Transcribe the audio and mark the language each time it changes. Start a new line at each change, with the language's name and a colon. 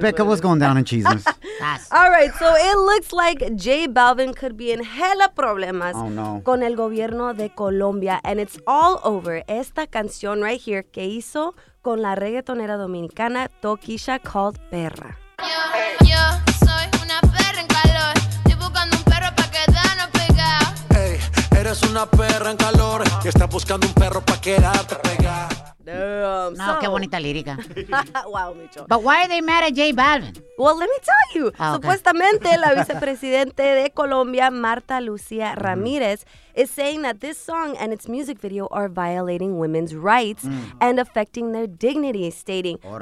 English: Becca, what's going down in Cheezus? All right, so it looks like J Balvin could be in hella problemas. Oh, no.
Spanish: Con el gobierno de Colombia.
English: And it's all over
Spanish: esta canción right here que hizo con la reggaetonera dominicana Tokisha
English: called Perra.
Spanish: Yo soy una perra en calor. Estoy buscando un perro pa' quedarnos pegados. Hey, eres una perra en calor. Y estás buscando un perro pa' quedarte pegado.
English: Damn.
Spanish: No, qué bonita lírica.
English: Wow, Micho. But why are they mad at J Balvin? Well, let me tell you. Oh, okay.
Spanish: Supuestamente, la vicepresidente de Colombia,
English: Marta Lucía Ramírez, is saying that this song and its music video are violating women's rights and affecting their dignity, stating, Orale.